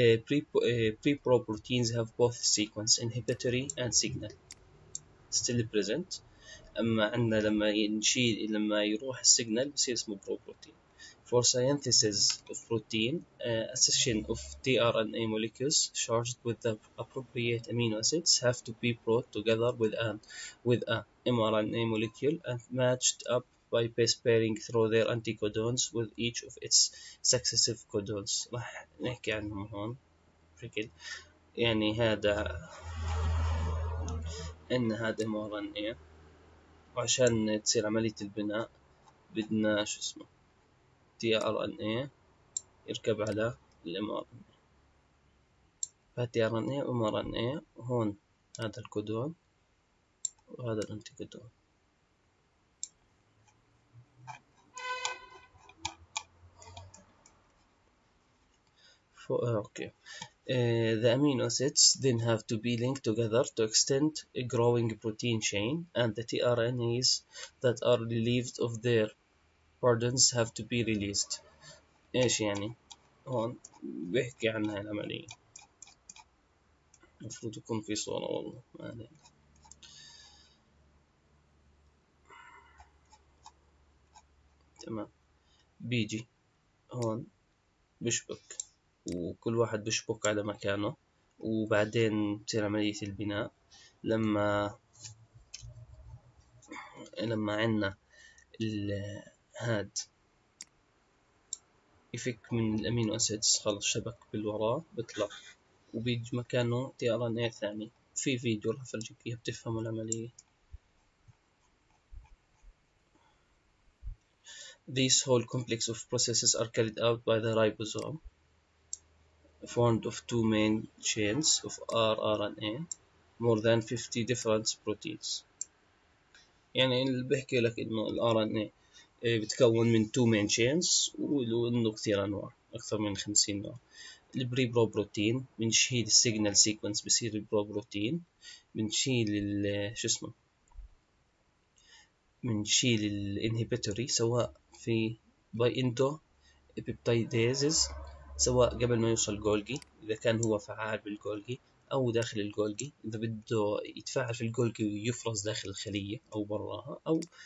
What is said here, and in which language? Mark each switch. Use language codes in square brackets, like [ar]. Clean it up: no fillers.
[en] Preproproteins have both sequences inhibitory and signal still present. [ar] اما عندنا لما نشيل لما يروح السيجنال بصير اسمه برو بروتين. [en] For synthesis of protein, a succession of tRNA molecules charged with the appropriate amino acids have to be brought together with a mRNA molecule and matched up by base pairing through their anticodons with each of its successive codons. [ar] راح نحكي عنهم هون. يعني هذا mRNA، وعشان تصير عملية البناء بدنا شو اسمه tRNA يركب على mRNA. tRNA و mRNA هون هذا الكودون وهذا الانتيكودون. اوكي. [en] The amino acids then have to be linked together to extend a growing protein chain, and the tRNAs that are relieved of their burdens have to be released. [ar] ايش يعني؟ هون بيحكي عن هاي العملية، المفروض يكون في صورة والله، ما علينا. تمام، بيجي هون بشبك، وكل واحد بشبك على مكانه، وبعدين بتصير عملية البناء. لما عنا الهاد يفك من الأمينو أسيدز، خلص شبك بالوراء بيطلع وبيجي مكانه تي ار ان ايه ثاني. في فيديو راح افرجيك اياه بتفهم العملية. [en] These whole complex of processes are carried out by the ribosome formed of two main chains of rRNA more than 50 different proteins. [ar] يعني اللي بحكي لك انه ال RNA بتكون من [en] two main chains، [ar] وانه كثير انواع، اكثر من 50 نوع. البري برو بروتين بنشيل السيجنال سيكونس، بصير البرو بروتين، بنشيل ال شو اسمه، بنشيل الانهيبيتوري سواء في باي اندو بيبتايديزز، سواء قبل ما يوصل جولجي اذا كان هو فعال بالجولجي، او داخل الجولجي اذا بده يتفاعل في الجولجي ويفرز داخل الخليه او براها، او